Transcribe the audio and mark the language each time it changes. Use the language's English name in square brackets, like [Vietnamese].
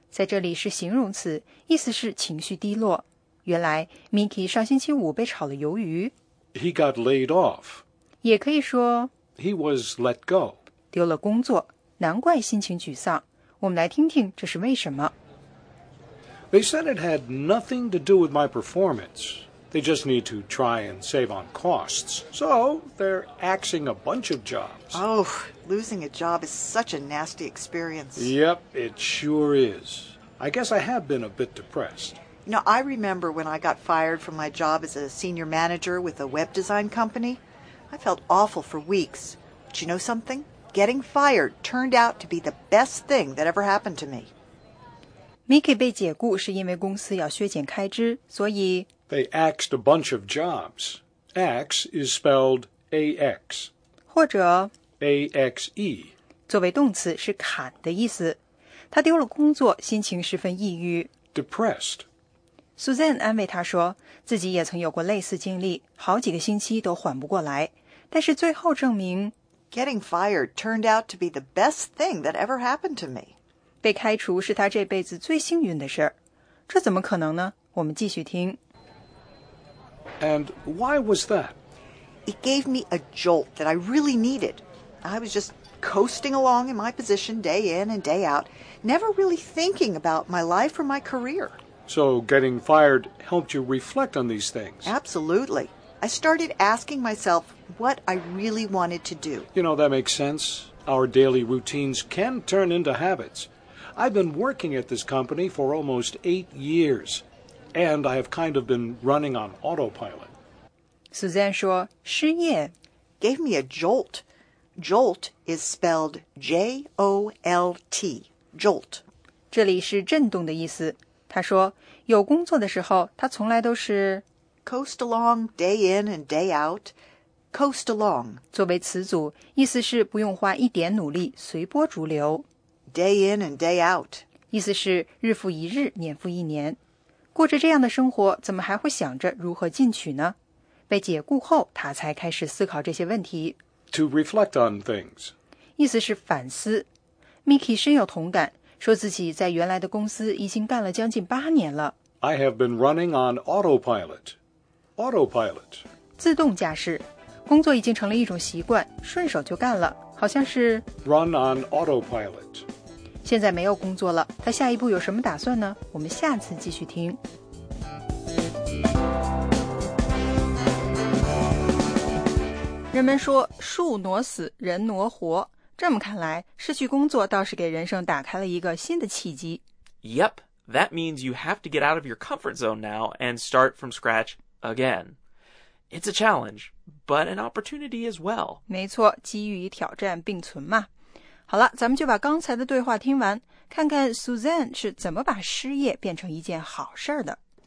[Chinese] 在这里是形容词，意思是情绪低落。原来 Mickey 上星期五被炒了鱿鱼。 [English] He got laid off. [Chinese] 也可以说 [English] He was let go. [Chinese] 丢了工作，难怪心情沮丧。我们来听听这是为什么。 [English] They said it had nothing to do with my performance. They just need to try and save on costs. So, they're axing a bunch of jobs. Oh, losing a job is such a nasty experience. Yep, it sure is. I guess I have been a bit depressed. You know, I remember when I got fired from my job as a senior manager with a web design company. I felt awful for weeks. But you know something? Getting fired turned out to be the best thing that ever happened to me. [Chinese] Mickey 被解雇是因为公司要削减开支，所以 [English] They axed a bunch of jobs. Axe is spelled A-X. [Chinese] 或者 [English] A-X-E. [Chinese] 作为动词是砍的意思。他丢了工作，心情十分抑郁。 [English] Depressed. [Chinese] Suzanne 安慰他说，自己也曾有过类似经历，好几个星期都缓不过来。但是最后证明 [English] ，Getting fired turned out to be the best thing that ever happened to me. [Chinese] 被开除是他这辈子最幸运的事儿。这怎么可能呢？我们继续听。 [English] And why was that? It gave me a jolt that I really needed. I was just coasting along in my position day in and day out, never really thinking about my life or my career. So getting fired helped you reflect on these things. Absolutely. I started asking myself what I really wanted to do. You know, that makes sense. Our daily routines can turn into habits. I've been working at this company for almost 8 years, and I have kind of been running on autopilot. [Chinese] Suzanne 说失业 [English] gave me a jolt. Jolt is spelled J-O-L-T, jolt. [Chinese] 这里是震动的意思。他说有工作的时候他从来都是 [English] coast along day in and day out, coast along [Chinese] 作为词组意思是不用花一点努力随波逐流 [English] day in and day out [Chinese] 意思是日复一日年复一年过着这样的生活怎么还会想着如何进取呢被解雇后他才开始思考这些问题 [English] to reflect on things [Chinese] 意思是反思 Mickey 深有同感说自己在原来的公司已经干了将近八年了。 [English] I have been running on autopilot. Autopilot. [Chinese] 自动驾驶。工作已经成了一种习惯，顺手就干了，好像是 [English] Run on autopilot. [Chinese] 现在没有工作了，他下一步有什么打算呢？我们下次继续听。人们说，树挪死，人挪活。这么看来，失去工作倒是给人生打开了一个新的契机。 [English] Yep, that means you have to get out of your comfort zone now and start from scratch again. It's a challenge, but an opportunity as well. [Chinese] 没错，机遇与挑战并存嘛。好了，咱们就把刚才的对话听完，看看 Suzanne 是怎么把失业变成一件好事的。